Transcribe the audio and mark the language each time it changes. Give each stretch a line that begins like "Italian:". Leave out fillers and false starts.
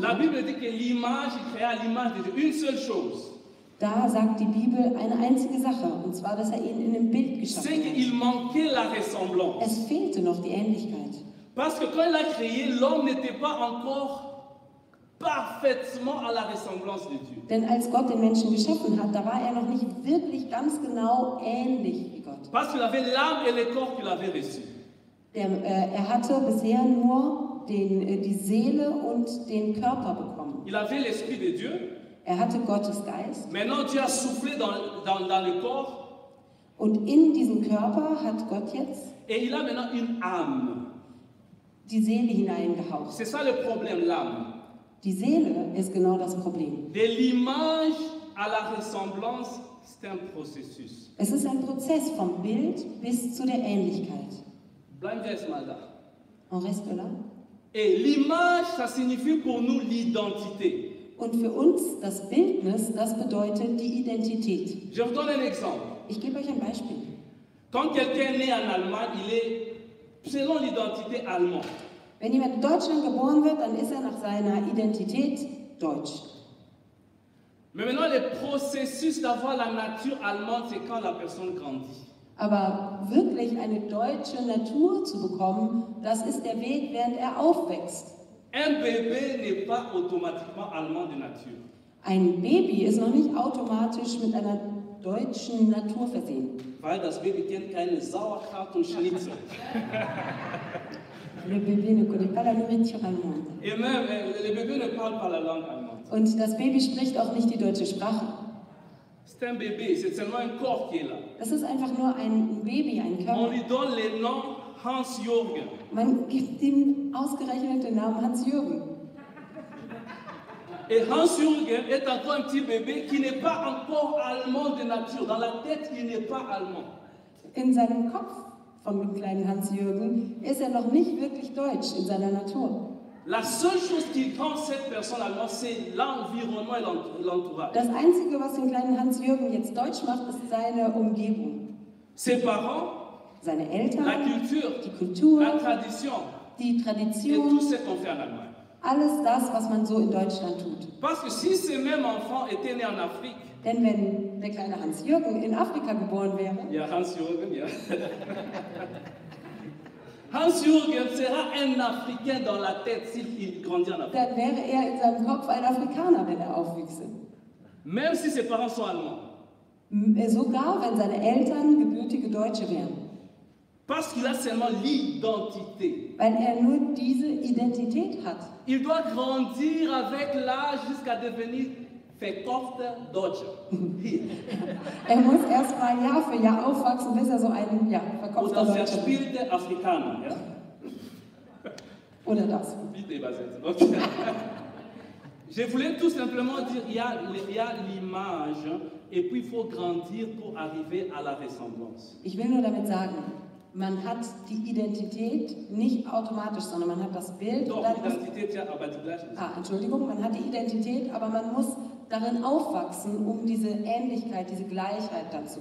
French: la Bible dit que l'image, il créa l'image de Dieu, une seule chose.
German: Da sagt die Bibel eine einzige Sache, und zwar, dass er ihn in dem Bild geschaffen
French: hat. C'est qu'il manquait la ressemblance.
German: Es fehlte noch die Ähnlichkeit.
French: Parce que quand il a créé, l'homme n'était pas encore parfaitement à la ressemblance de Dieu.
German: Denn als Gott den Menschen geschaffen hat, da war er noch nicht wirklich ganz genau ähnlich wie Gott.
French: Parce qu'il avait l'âme et le corps qu'il avait reçu.
German: Er hatte bisher nur die Seele und den Körper bekommen.
French: Il avait l'esprit de Dieu.
German: Er hatte Gottes Geist.
French: Maintenant, Dieu a soufflé dans le corps.
German: Und in diesen Körper hat Gott jetzt
French: et il a maintenant une âme.
German: Die Seele hineingehaucht.
French: C'est ça le problème, l'âme.
German: Die Seele ist genau das Problem.
French: De l'image à la ressemblance, c'est un processus.
German: Es ist ein Prozess vom Bild bis zu der Ähnlichkeit. Bleiben wir erstmal da.
French: On reste là. Et l'image, ça signifie pour nous l'identité.
German: Und für uns das Bildnis, das bedeutet die Identität.
French: Je vous donne un exemple.
German: Ich gebe euch ein Beispiel.
French: Quand quelqu'un est né en Allemagne, il est selon l'identité allemande.
German: Wenn jemand in Deutschland geboren wird, dann ist nach seiner Identität deutsch.
French: Mais maintenant, le processus d'avoir la nature allemande, c'est quand la personne grandit.
German: Aber wirklich eine deutsche Natur zu bekommen, das ist der Weg, während aufwächst.
French: Un bébé n'est pas automatiquement allemand de nature.
German: Ein Baby ist noch nicht automatisch mit einer deutschen Natur versehen. Weil das Baby kennt keine Sauerkraut und Schnitzel.
French: Le bébé ne connaît pas la nourriture allemande. Et même, le bébé ne parle pas la langue allemande.
German: Und das Baby spricht auch nicht die deutsche Sprache.
French: C'est un bébé, c'est seulement un corps qui est là.
German: Das ist einfach nur ein Baby, ein Körper.
French: On lui donne le nom Hans Jürgen.
German: Man gibt ihm ausgerechnet den Namen Hans Jürgen.
French: Et Hans Jürgen est encore un petit bébé qui n'est pas encore allemand de nature. Dans la tête, il n'est pas allemand.
German: In seinem Kopf von dem kleinen Hans Jürgen ist noch nicht wirklich deutsch in seiner Natur.
French: La seule chose qui rend cette personne allemande, c'est l'environnement et l'entourage.
German: Das Einzige, was den kleinen Hans Jürgen jetzt deutsch macht, ist seine Umgebung.
French: Ses parents,
German: seine Eltern,
French: la culture,
German: die Kultur,
French: la tradition,
German: die Tradition,
French: et tout ce qu'on fait en Allemagne.
German: Alles das, was man so in Deutschland tut.
French: Parce que si ce même enfant était né en Afrique,
German: denn wenn der kleine Hans Jürgen in Afrika geboren wäre, ja, Hans Jürgen, ja.
French: Hans Jürgen sera un Africain dans la tête s'il grandit en Afrique.
German: Dann wäre in seinem Kopf ein Afrikaner, wenn aufwächst.
French: Même si ses parents sont allemands.
German: Sogar wenn seine Eltern gebürtige Deutsche wären.
French: Parce qu'il a seulement l'identité.
German: Weil nur diese Identität hat.
French: Il doit grandir avec l'âge jusqu'à devenir
German: verkaufte Deutsche. muss erst mal Jahr für Jahr aufwachsen, bis so ein ja, verkaufter Deutscher. Oder verspielte Afrikaner. Ja. Oder das. Bitte übersetzen.
French: Je voulais tout simplement dire, il y a l'image et puis il faut grandir pour arriver à la ressemblance.
German: Ich will nur damit sagen, man hat die Identität nicht automatisch, sondern man hat das Bild. Doch, dann Identität, ja, aber die gleiche. Entschuldigung, man hat die Identität, aber man muss darin aufwachsen, um diese Ähnlichkeit, diese Gleichheit dann zu